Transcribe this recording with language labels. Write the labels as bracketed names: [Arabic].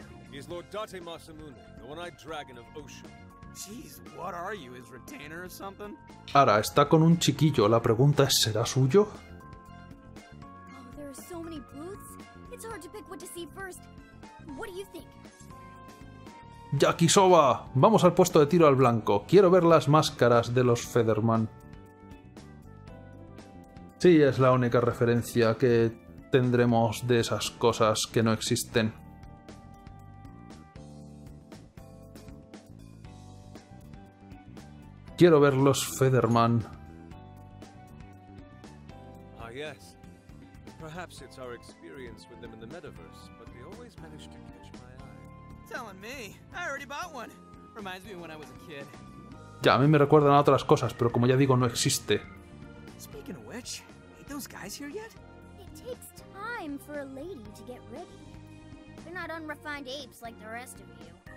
[English] He's Lord Date Masamune, the one-eyed dragon of Ocean. Jeez, what are you, his retainer or something? [Spanish] Ahora, está con un chiquillo. La pregunta es, ¿será suyo? [English] Oh, there are so many booths. It's hard to pick what to see first. What do you think? [Spanish] Yakisoba, vamos al puesto de tiro al blanco. Quiero ver las máscaras de los Featherman. Sí, es la única referencia que tendremos de esas cosas que no existen. Quiero ver los Featherman. [English] Ah, yes. Perhaps it's our experience with them in the metaverse, but they always manage to catch my eye. Telling me, I already bought one. Reminds me of when I was a kid. [Spanish] Ya, a mí me recuerdan a otras cosas, pero como ya digo, no existe. [English] Speaking of which, ain't those guys here yet? It takes time for a lady to get ready. They're not unrefined apes like the rest of you.